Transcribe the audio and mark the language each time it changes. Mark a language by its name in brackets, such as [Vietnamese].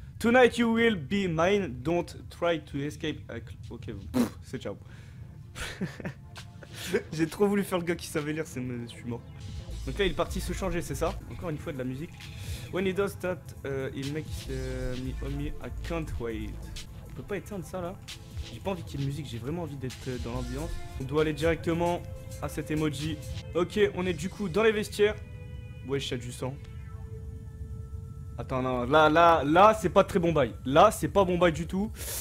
[English] Tonight you will be mine, don't try to escape. [French] Ok, pff, c'est ciao. J'ai trop voulu faire le gars qui savait lire, c'est... je suis mort. Donc là, il est parti se changer, c'est ça? Encore une fois, de la musique. [English] When he does that, he makes me homie, I can't wait. [French] On peut pas éteindre ça, là. J'ai pas envie qu'il y ait de musique, j'ai vraiment envie d'être dans l'ambiance. On doit aller directement à cet emoji. Ok, on est du coup dans les vestiaires. Wesh, il y a du sang. Attends, non, là, c'est pas très bon bail. Là, c'est pas bon bail du tout.